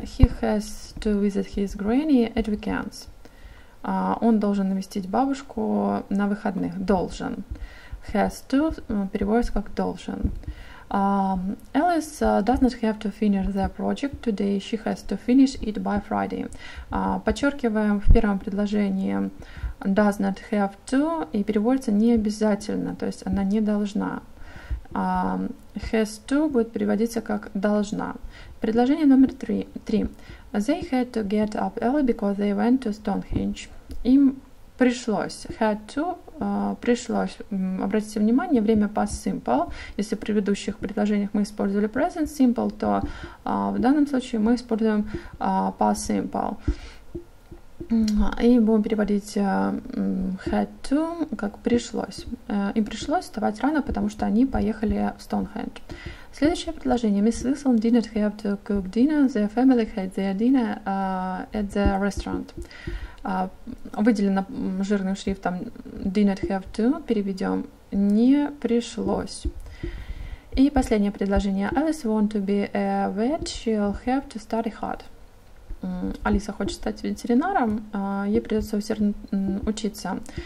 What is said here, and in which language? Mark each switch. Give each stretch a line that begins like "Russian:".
English: He has to visit his granny at weekends.
Russian: Он должен навестить бабушку на выходных. Должен. Has to переводится как должен.
English: Alice does not have to finish the project today. She has to finish it by Friday.
Russian: Подчеркиваем в первом предложении does not have to и переводится не обязательно, то есть она не должна. Has to будет переводиться как должна. Предложение номер три.
English: They had to get up early because they went to Stonehenge.
Russian: Им пришлось. Had to пришлось. Обратите внимание, время past simple. Если в предыдущих предложениях мы использовали present simple, то в данном случае мы используем past simple. И будем переводить had to как пришлось. Им пришлось вставать рано, потому что они поехали в Stonehenge. Следующее предложение.
English: Miss Wilson did not have to cook dinner. Their family had their dinner at the restaurant.
Russian: Выделено жирным шрифтом did not have to, переведем не пришлось. И последнее предложение.
English: Alice want to be a vet, she'll have to study hard.
Russian: Алиса хочет стать ветеринаром, ей придется усердно учиться.